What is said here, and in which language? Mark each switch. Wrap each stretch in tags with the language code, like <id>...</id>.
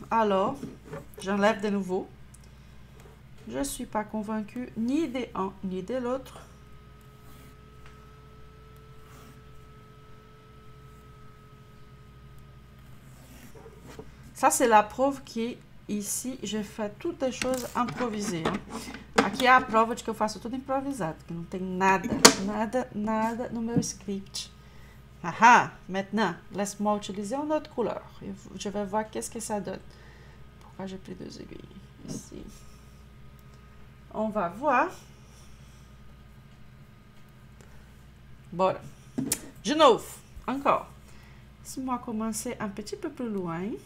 <fr>Alors, j'enlève de nouveau. Je suis pas convaincue ni de l'un ni de l'autre. Ça, c'est la preuve qui ici, je fais toutes les choses improvisées. Hein.</fr> <pt>Aqui é a prova de que eu faço tudo improvisado, que não tem nada, nada, nada no meu script.</pt> <fr>Ahá, maintenant, laisse-moi utiliser une autre couleur. Je vais voir qu'est-ce que ça donne. Pourquoi j'ai pris deux aiguilles ici? On va voir.</fr> <pt>Bora. De novo,</pt> <fr>encore. Laisse-moi commencer un petit peu plus loin.</fr>